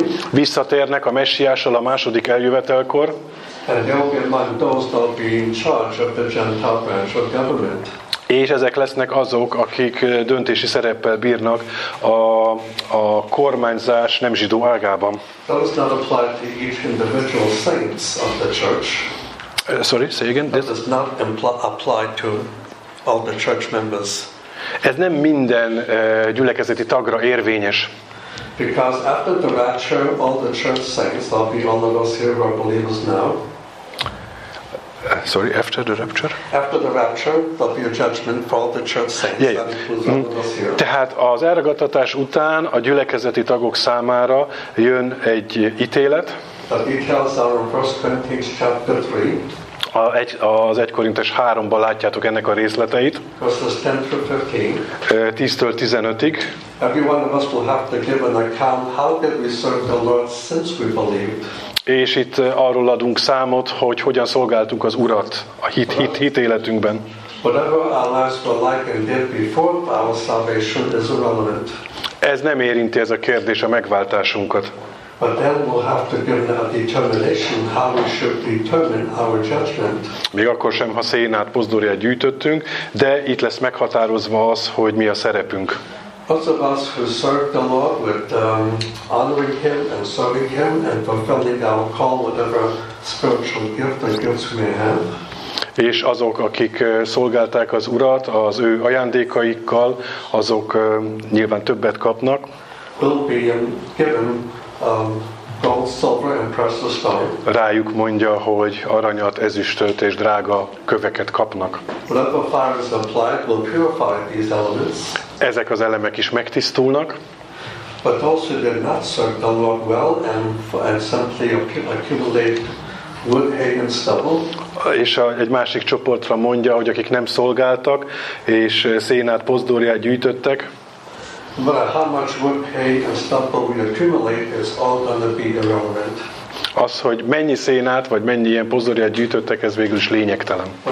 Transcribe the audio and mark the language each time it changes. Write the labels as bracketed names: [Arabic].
[Hungarian] Visszatérnek a messiással a második eljövetelkor. [English] And they'll be among those that'll be in charge of the Gentile branch of government. [Hungarian] És ezek lesznek azok, akik döntési szereppel bírnak a kormányzás nem zsidó ágában. [English] Those not apply to each individual saints of the church. Sorry, say again. That does not apply to all the church members. [Hungarian] Ez nem minden gyülekezeti tagra érvényes. [English] Because after the rapture, all the church saints, there'll be all of us here who are believers now. Sorry, after the rapture? After the rapture, there'll be a judgment for all the church saints. Yeah. [Hungarian] Tehát az elragadtatás után a gyülekezeti tagok számára jön egy ítélet. [English] The details are in 1 Corinthians chapter 3. [Hungarian] Az 1 Korintus 3-ban látjátok ennek a részleteit. 10-től 15-ig. [English] Everyone of us will have to give an account how did we serve the Lord since we believed. [Hungarian] És itt arról adunk számot, hogy hogyan szolgáltunk az Urat a hit életünkben. [English] Whatever our lives were like and did before our salvation is irrelevant. [Hungarian] Ez nem érinti ez a kérdés a megváltásunkat. [English] But then we'll have to give a determination how we should determine our judgment. [Hungarian] Még akkor sem, ha szénát, pozdóriát gyűjtöttünk, de itt lesz meghatározva az, hogy mi a szerepünk. [English] Those of us who serve the Lord with honoring Him and serving Him and fulfilling our call, whatever spiritual gift and gifts we may have. [Hungarian] És azok, akik szolgálták az Urat az ő ajándékaikkal, azok nyilván többet kapnak. [English] Will be given gold, silver and precious stone. [Hungarian] Rájuk mondja, hogy aranyat, ezüstöt és drága köveket kapnak. [English] Whatever fire is applied will purify these elements. [Hungarian] Ezek az elemek is megtisztulnak. [English] But also they're not served the Lord well and simply accumulate wood, hay and stubble. [Hungarian] És egy másik csoportra mondja, hogy akik nem szolgáltak és szénát, pozdóriát gyűjtöttek. [English] But how much wood, hay and stubble we accumulate is all going to be irrelevant. [Hungarian] Az, hogy mennyi szénát vagy mennyi ilyen pozdóriát gyűjtöttek, ez végül is lényegtelen.